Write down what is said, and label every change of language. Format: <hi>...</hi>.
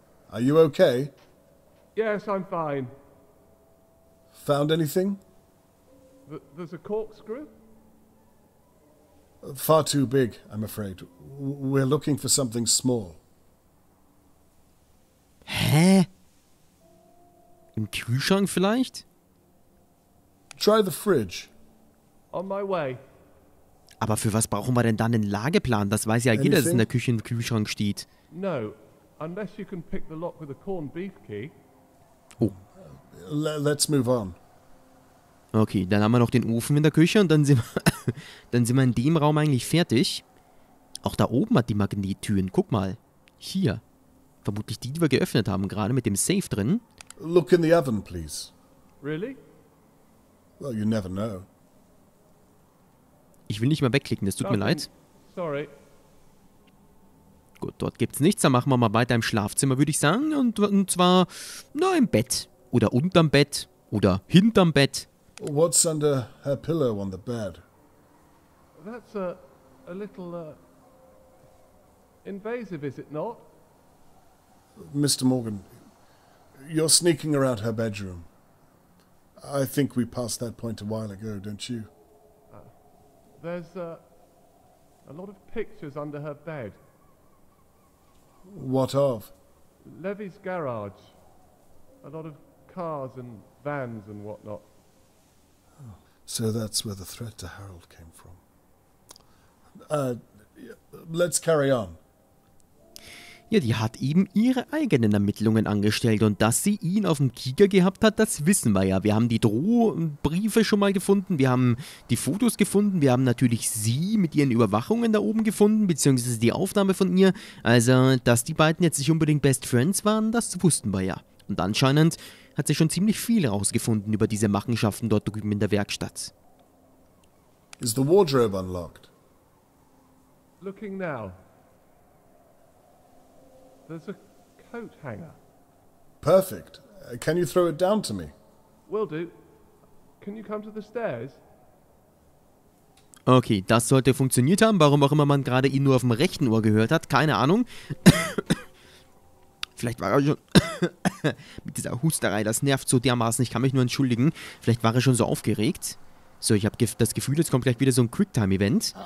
<en>Are you okay? Yes, I'm fine. Found anything? There's a corkscrew? Far too big, I'm afraid. We're looking for something small. Hä?</en> <de>Im Kühlschrank vielleicht?</de> <en>Try the fridge. On my way.</en> <de>Aber für was brauchen wir denn dann einen Lageplan? Das weiß ja jeder, dass es in der Küche im Kühlschrank steht.</de> <en>No, unless you can pick the lock with a corned beef key. Oh. Let's move on.</en> <de>Okay, dann haben wir noch den Ofen in der Küche und dann sind wir, dann sind wir in dem Raum eigentlich fertig. Auch da oben hat die Magnettüren. Guck mal. Hier. Vermutlich die wir geöffnet haben, gerade mit dem Safe drin.</de> <en>Look in the oven, please. Really? Well, you never know.</en> <de>Ich will nicht mal wegklicken, das tut mir leid.</de> <en>Sorry.</en> <de>Gut, dort gibt's nichts, dann machen wir mal weiter im Schlafzimmer, würde ich sagen. Und zwar, na, im Bett. Oder unterm Bett. Oder hinterm Bett.</de> <en>What's under her pillow on the bed? That's a little, invasive, is it not? Mr. Morgan, you're sneaking around her bedroom. I think we passed that point a while ago, don't you? There's a lot of pictures under her bed. What of? Levy's garage. A lot of cars and vans and whatnot. Oh, so that's where the threat to Harold came from. Let's carry on.</en> <de>Ja, die hat eben ihre eigenen Ermittlungen angestellt und dass sie ihn auf dem Kieker gehabt hat, das wissen wir ja. Wir haben die Drohbriefe schon mal gefunden, wir haben die Fotos gefunden, wir haben natürlich sie mit ihren Überwachungen da oben gefunden, beziehungsweise die Aufnahme von ihr. Also, dass die beiden jetzt nicht unbedingt Best Friends waren, das wussten wir ja. Und anscheinend hat sie schon ziemlich viel rausgefunden über diese Machenschaften dort drüben in der Werkstatt.</de> <en>Is the wardrobe unlocked? Looking now. There's a coat hanger. Perfect. Can you throw it down to me? Will do. Can you come to the stairs?</en> <de>Okay, das sollte funktioniert haben, warum auch immer man gerade ihn nur auf dem rechten Ohr gehört hat, keine Ahnung. Vielleicht war er schon mit dieser Husterei, das nervt so dermaßen, ich kann mich nur entschuldigen. Vielleicht war er schon so aufgeregt. So, ich habe das Gefühl, jetzt kommt gleich wieder so ein Quicktime-Event.</de>